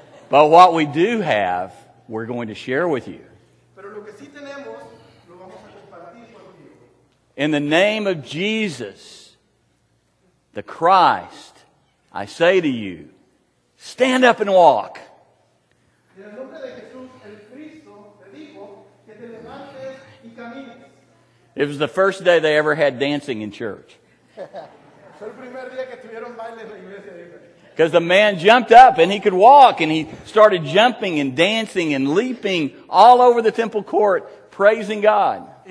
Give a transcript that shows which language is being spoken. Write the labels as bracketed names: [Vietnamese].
[English] But what we do have, we're going to share with you. [Spanish] Pero lo que sí tenemos, lo vamos a compartir contigo. [English] In the name of Jesus, the Christ, I say to you, stand up and walk. [Spanish] En el nombre de Jesús, el Cristo, te digo que te levantes y camines. [English] It was the first day they ever had dancing in church. [Spanish] Fue el primer día que tuvieron baile en la iglesia. [English] Because the man jumped up and he could walk and he started jumping and dancing and leaping all over the temple court, praising God.